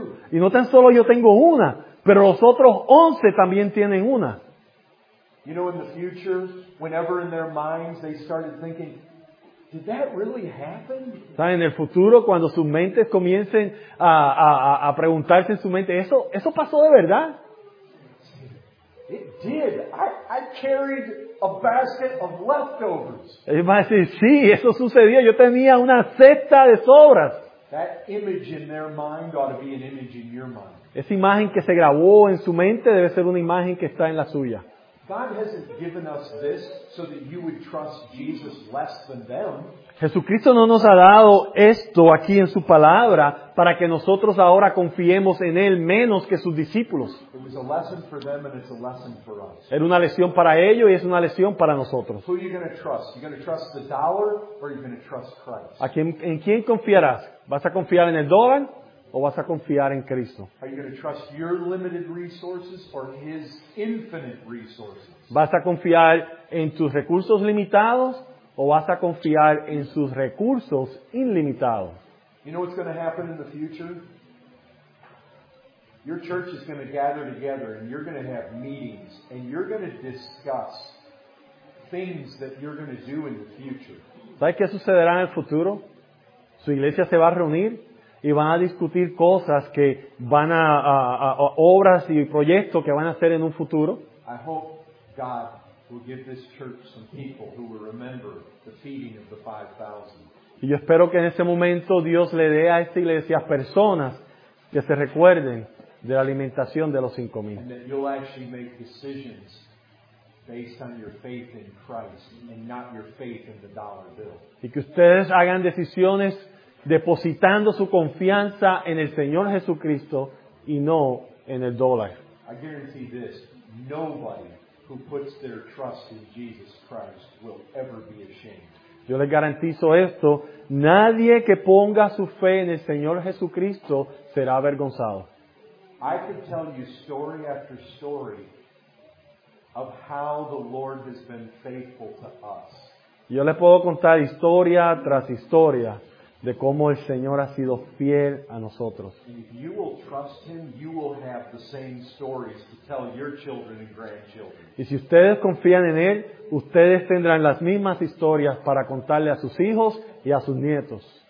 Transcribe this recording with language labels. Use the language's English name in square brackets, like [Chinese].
[Spanish] Y no tan solo yo tengo una, pero los otros 11 también tienen una. [English] You know, in the future, whenever in their minds they started thinking, did that really happen? [Spanish] ¿Sabes? En el futuro, cuando sus mentes comiencen a preguntarse en su mente, ¿eso pasó de verdad? [English] It did. I carried a basket of leftovers. [Spanish] Y va a decir, sí, eso sucedió. Yo tenía una cesta de sobras. [English] That image in their mind ought to be an image in your mind. [Spanish] Esa imagen que se grabó en su mente debe ser una imagen que está en la suya. [English] God hasn't given us this so that you would trust Jesus less than them. [Spanish] Jesucristo no nos ha dado esto aquí en su palabra para que nosotros ahora confiemos en Él menos que sus discípulos. [English] It was a lesson for them and it's a lesson for us. [Spanish] Era una lección para ellos y es una lección para nosotros. [English] Who are you going to trust? You're going to trust the dollar or you're going to trust Christ? [Spanish] ¿En quién confiarás? ¿Vas a confiar en el dólar o vas a confiar en Cristo? [English] Are you going to trust your limited resources or His infinite resources? [Spanish] ¿Vas a confiar en tus recursos limitados o vas a confiar en sus recursos ilimitados? [English] You know what's going to happen in the future? Your church is going to gather together and you're going to have meetings and you're going to discuss things that you're going to do in the future. [Spanish] ¿Sabes qué sucederá en el futuro? Su iglesia se va a reunir y van a discutir cosas que van a obras y proyectos que van a hacer en un futuro. [English] I hope God will give this church some people who will remember the feeding of the 5,000. [Spanish] Y yo espero que en ese momento Dios le dé a esta iglesia personas que se recuerden de la alimentación de los 5,000. [English] And that you'll actually make decisions based on your faith in Christ and not your faith in the dollar bill. [Spanish] Y que ustedes hagan decisiones depositando su confianza en el Señor Jesucristo y no en el dólar. [English] I guarantee this, nobody who puts their trust in Jesus Christ will ever be ashamed. [Spanish] Yo les garantizo esto, nadie que ponga su fe en el Señor Jesucristo será avergonzado. [English] I can tell you story after story of how the Lord has been faithful to us. [Spanish] Yo les puedo contar historia tras historia de cómo el Señor ha sido fiel a nosotros. [English] And if you will trust Him, you will have the same stories to tell your children and grandchildren. [Spanish] Y si ustedes confían en Él, ustedes tendrán las mismas historias para contarle a sus hijos y a sus nietos.